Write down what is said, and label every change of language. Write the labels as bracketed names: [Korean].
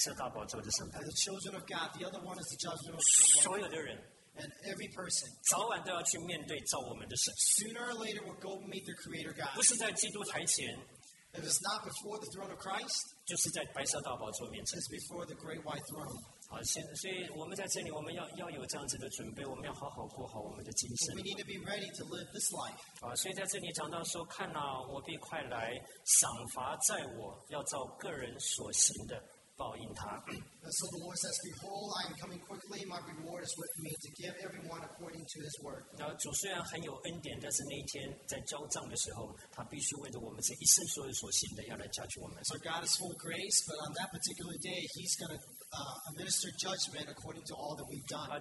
[English] And the children of God, the other one is the judgment of the throne of God. And every person sooner or later will go meet their Creator God. If it's not before the throne of Christ, it's before the great white throne. [Chinese] 所以我们在这里我们要有这样子的准备，我们要好好过好我们的今生。 [English] We need to be ready to live this life. [Chinese] 所以在这里讲到说，看哪，我必快来，赏罚在我，要照个人所行的报应他。 [English] So the Lord says, Behold, I am coming quickly. My reward is with me to give everyone according to His word. [Chinese] 主虽然很有恩典，但是那一天在交账的时候，他必须为着我们这一生所有所行的，要来judge我们。 [English] So God is full of grace, but on that particular day, He's gonna administer judgment according to all that we've done.